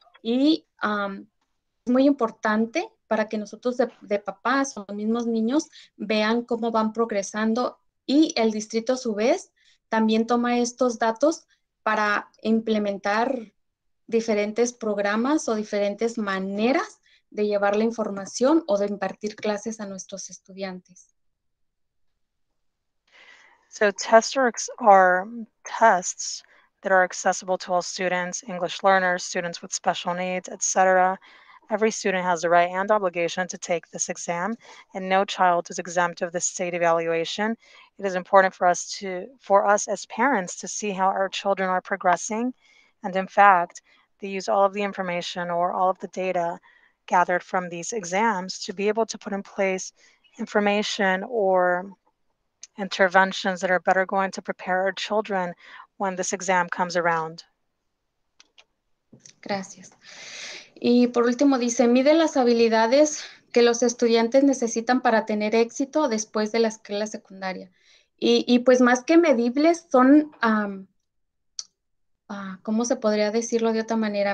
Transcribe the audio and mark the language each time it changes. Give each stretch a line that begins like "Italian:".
Spanish: Y es muy importante para que nosotros de papás o los mismos niños vean cómo van progresando y el distrito a su vez también toma estos datos para implementar diferentes programas o diferentes maneras de llevar la información o de impartir clases a nuestros estudiantes.
English: So tests are tests that are accessible to all students, English learners, students with special needs, etc. Every student has the right and obligation to take this exam, and no child is exempt of this state evaluation. It is important for us as parents to see how our children are progressing, and in fact, they use all of the information or all of the data gathered from these exams to be able to put in place information or interventions that are better going to prepare our children when this exam comes around.
Spanish: Gracias. Y por último dice, mide las habilidades que los estudiantes necesitan para tener éxito después de la escuela secundaria. Y pues más que medibles son, ¿cómo se podría decirlo de otra manera?